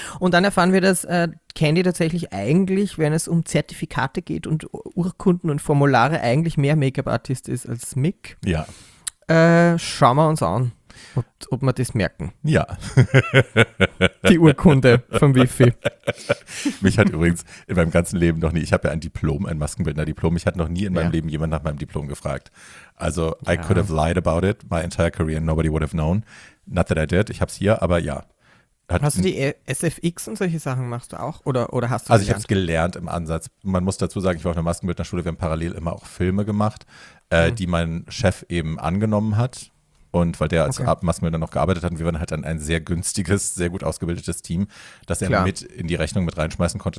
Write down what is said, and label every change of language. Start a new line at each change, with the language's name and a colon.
German: Und dann erfahren wir, dass Candy tatsächlich eigentlich, wenn es um Zertifikate geht und Urkunden und Formulare, eigentlich mehr Make-up-Artist ist als Mick. Ja. Schauen wir uns an. Ob wir das merken. Ja. Die Urkunde vom Wifi. Mich hat übrigens in meinem ganzen Leben noch nie, ich habe ja ein Diplom, ein Maskenbildner-Diplom, mich hat noch nie in meinem Leben jemand nach meinem Diplom gefragt.
English: Also, I could have lied about it my entire career and nobody would have known. Not that I did,
German: ich habe es hier, aber ja. Hast du die SFX und solche Sachen machst du auch? Oder hast du gelernt? Also, ich habe es gelernt im Ansatz. Man muss dazu sagen, ich war auf einer Maskenbildner-Schule, wir haben parallel immer auch Filme gemacht, die mein Chef eben angenommen hat. Und weil der als Maskenbildner noch gearbeitet hat, und wir waren halt ein sehr günstiges, sehr gut ausgebildetes Team, das er mit in die Rechnung mit reinschmeißen konnte.